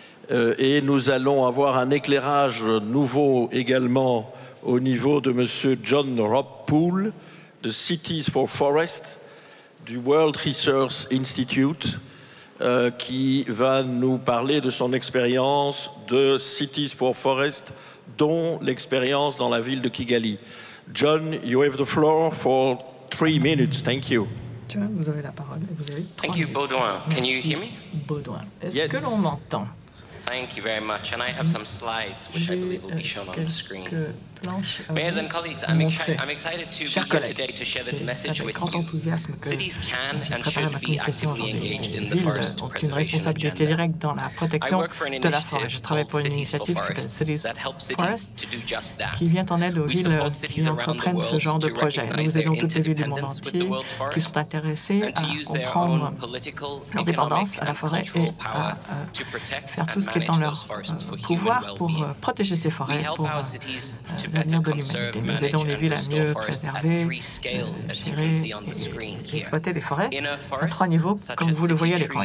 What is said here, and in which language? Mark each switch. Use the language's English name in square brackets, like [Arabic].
[French] Et nous allons avoir un éclairage nouveau également au niveau de Monsieur John Rob Poole, de Cities for Forest, du World Resource Institute, qui va nous parler de son expérience de Cities for Forest, dont l'expérience dans la ville de Kigali. [English] John, you have the floor for 3 minutes. Thank you. [French] John, vous avez la parole. Vous avez 3 minutes. [English] Thank you, Baudouin. Can you hear me? [French] Baudouin. Est-ce que l'on m'entend? [English] Thank you very much. And I have some slides which I believe will be shown on the screen. Mayors and colleagues, I'm excited to be here today to share this message with you. Cities can and should be actively engaged in the forest preservation agenda. I work for an initiative called Cities for Forests that helps cities to do just that. We support cities around the world to recognize their interdependence with the world's forests and to use their own political, economic and cultural power to protect and manage those forests for human well-being. [French] Pouvoir pour protéger ces forêts, pour l'avenir de l'humanité. Nous aidons les villes à mieux préserver, gérer et exploiter les forêts à trois niveaux, comme vous le voyez à l'écran.